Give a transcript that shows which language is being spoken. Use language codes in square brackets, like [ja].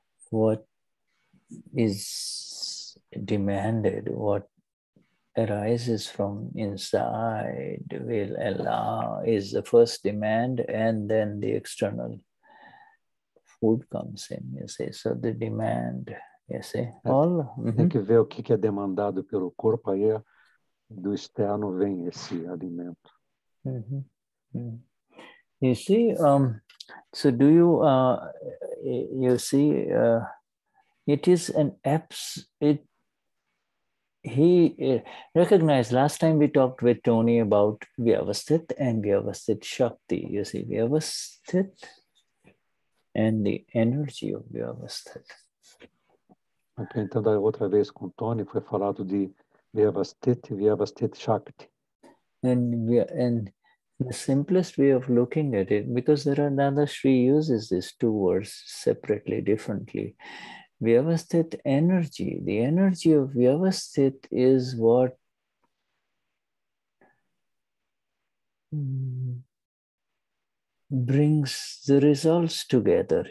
[en] What is demanded, what arises from inside will allow, is the first demand, and then the external food comes in, you see. So the demand, you see. All, [pt] Tem que ver o que é demandado pelo corpo, aí do externo vem esse alimento. [en] You see, recognize last time we talked with Tony about Vyavasthit and Vyavasthit Shakti. You see, Vyavasthit and the energy of Vyavasthit. [pt] Ok, então da outra vez com Tony foi falado de Vyavasthit e Vyavasthit Shakti. [en] The simplest way of looking at it, because there are Dadashri uses these two words separately, differently. Vyavasthit energy, the energy of Vyavasthit is what brings the results together.